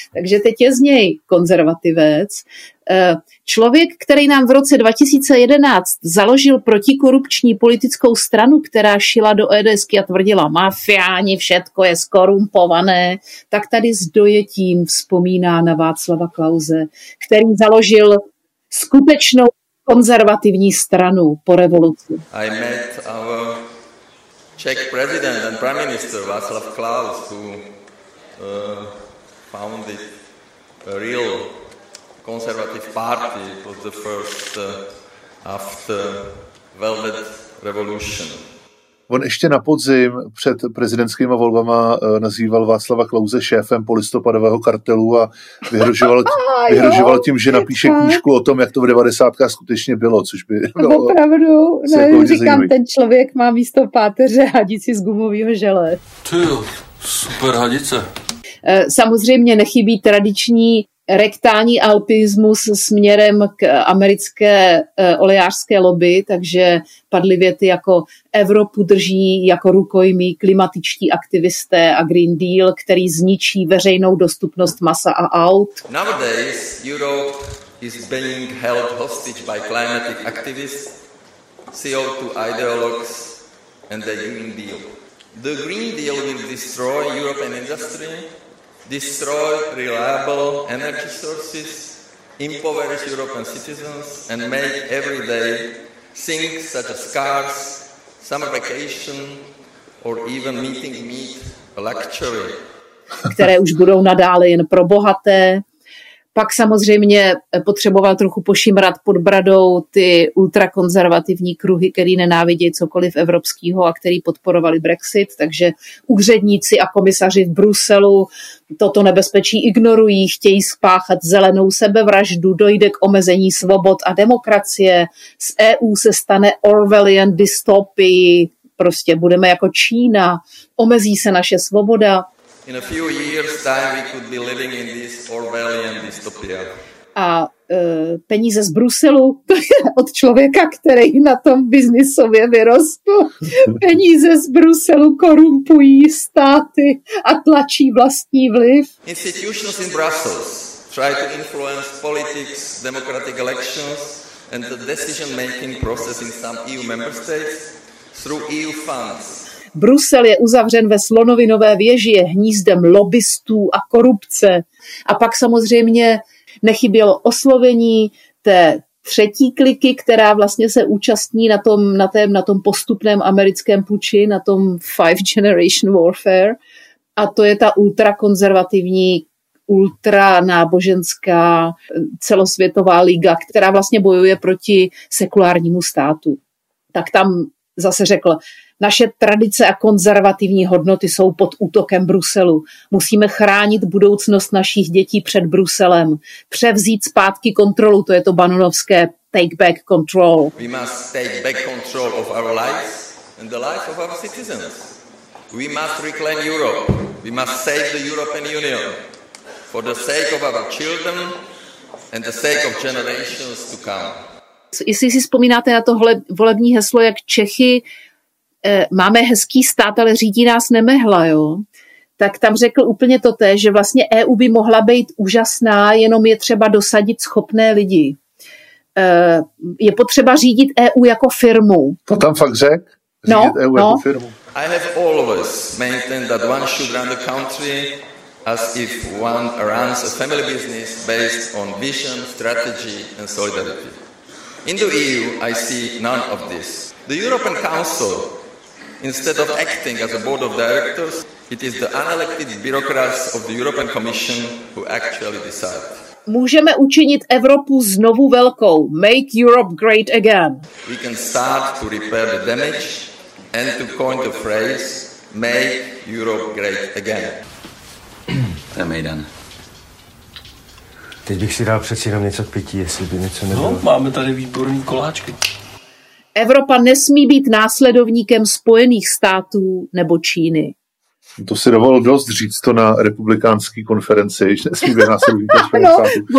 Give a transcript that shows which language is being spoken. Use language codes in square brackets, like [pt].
[cs] Takže teď je z něj konzervativec. Člověk, který nám v roce 2011 založil protikorupční politickou stranu, která šila do EDSky a tvrdila mafiáni, [sk] všetko je skorumpované, [cs] tak tady s dojetím vzpomíná na Václava Klause, který založil skutečnou konzervativní stranu po revoluci. [en] I met our Czech president and prime minister Václav Klaus, who founded a real conservative party, was the first after Velvet Revolution. [cs] On ještě na podzim před prezidentskými volbama nazýval Václava Klause šéfem polistopadového kartelu a vyhrožoval tím, že napíše knížku o tom, jak to v 90. skutečně bylo, což by bylo... Opravdu, ne, říkám, ten člověk má místo páteře hadici z gumového žele. Ty jo, super hadice. Samozřejmě nechybí tradiční rektální alpinismus směrem k americké oleářské lobby, takže padly věty jako Evropu drží jako rukojmí klimatičtí aktivisté a Green Deal, který zničí veřejnou dostupnost masa a aut. [en] Nowadays Europe is being held hostage by climate activists, CO2 ideologues and the Green Deal. The Green Deal will destroy European industry, destroy reliable energy sources, impoverish European citizens and make every day things such as cars, summer vacation, or even meeting meet a luxury. [cs] Které už budou nadále jen pro bohaté. Pak samozřejmě potřeboval trochu pošimrat pod bradou ty ultrakonzervativní kruhy, který nenávidějí cokoliv evropského a který podporovali Brexit, takže úředníci a komisaři v Bruselu toto nebezpečí ignorují, chtějí spáchat zelenou sebevraždu, dojde k omezení svobod a demokracie, z EU se stane Orwellian dystopii, prostě budeme jako Čína, omezí se naše svoboda. [en] In a few years time we could be living in this Orwellian dystopia. [cs] A peníze z Bruselu, to je od člověka, který na tom biznisově vyrostl. Peníze z Bruselu korumpují státy a tlačí vlastní vliv. [en] Institutions in Brussels try to influence politics, democratic elections and the decision making process in some EU member states through EU funds. [cs] Brusel je uzavřen ve slonovinové věži, je hnízdem lobbystů a korupce. A pak samozřejmě nechybělo oslovení té třetí kliky, která vlastně se účastní na tom postupném americkém puči, na tom Five Generation Warfare. A to je ta ultrakonzervativní, ultranáboženská celosvětová liga, která vlastně bojuje proti sekulárnímu státu. Tak tam zase řekl, naše tradice a konzervativní hodnoty jsou pod útokem Bruselu. Musíme chránit budoucnost našich dětí před Bruselem. Převzít zpátky kontrolu, to je to banonovské [en] take back control. We must take back control of our lives and the lives of our citizens. We must reclaim Europe. We must save the European Union. For the sake of our children and the sake of generations to come. [cs] Jestli si vzpomínáte na tohle volební heslo, jak Čechy máme hezký stát, ale řídí nás nemehla, jo? Tak tam řekl úplně to té, že vlastně EU by mohla být úžasná, jenom je třeba dosadit schopné lidi. Je potřeba řídit EU jako firmu. To tam fakt řekl? Řídit EU jako firmu? [en] I have always maintained that one should run the country as if one runs a family business based on vision, strategy and solidarity. In the EU I see none of this. The European Council, instead of acting as a board of directors, it is the unelected bureaucrats of the European Commission who actually decide. [cs] Můžeme učinit Evropu znovu velkou. [en] Make Europe great again. We can start to repair the damage and to coin the phrase make Europe great again. [cs] To je Mejdan. Teď bych si dal přeci jenom něco k pití, jestli by něco nebylo. No, máme tady výborný koláčky. Evropa nesmí být následovníkem Spojených států nebo Číny. To si dovolil dost říct to na republikánské konferenci, že nesmí být následovníkem Spojených států.